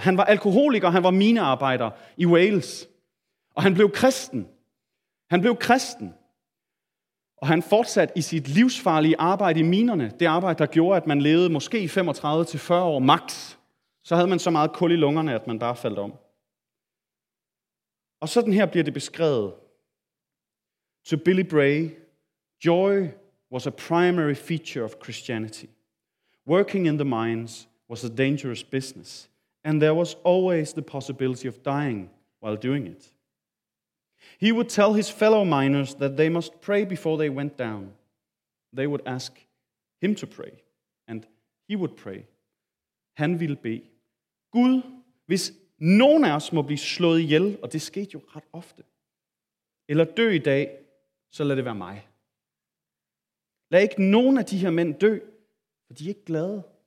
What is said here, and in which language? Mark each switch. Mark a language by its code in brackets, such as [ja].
[da] Han var alkoholiker, han var minearbejder i Wales. Og han blev kristen. Han blev kristen. Og han fortsatte i sit livsfarlige arbejde i minerne. Det arbejde, der gjorde, at man levede måske 35-40 år max. Så havde man så meget kul i lungerne, at man bare faldt om. Og sådan her bliver det beskrevet. [en] To Billy Bray, joy was a primary feature of Christianity. Working in the mines was a dangerous business. And there was always the possibility of dying while doing it. He would tell his fellow miners that they must pray before they went down. They would ask him to pray, and he would pray. [da] Han ville bede. Gud, hvis nogen af os må blive slået ihjel, og det skete jo ret ofte, eller dø i dag, så lad det være mig. Lad ikke nogen af de her mænd dø, for de er ikke glade.